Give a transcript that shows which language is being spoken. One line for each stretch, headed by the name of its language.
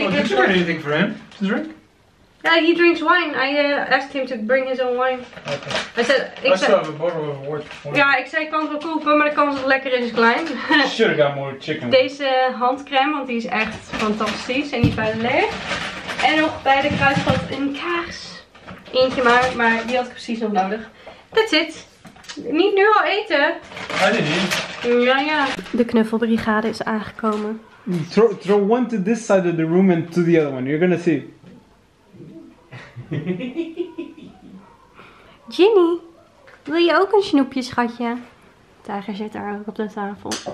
Dutch: heb...
English: Oh, did you bring anything for him to drink? Yeah, he drinks wine. I asked him to bring his own wine. Okay. I said, still have a bottle of water.
Dutch: Ja, ik zei, ik kan het wel kopen, maar de kans dat het lekker is klein.
English: Should have got more chicken.
Dutch: Deze handcreme, want die is echt fantastisch en die is bijna leeg. En nog bij de kruidvat een kaars. Eentje maar die had ik precies nog nodig.
English: That's it.
Dutch: Niet nu al eten. Ah, nee, nee. Ja, ja. De knuffelbrigade is aangekomen.
English: Throw one to this side of the room and to the other one. You're gonna see.
Dutch: Ginny, wil je ook een snoepje, schatje? Tiger zit daar ook op de tafel.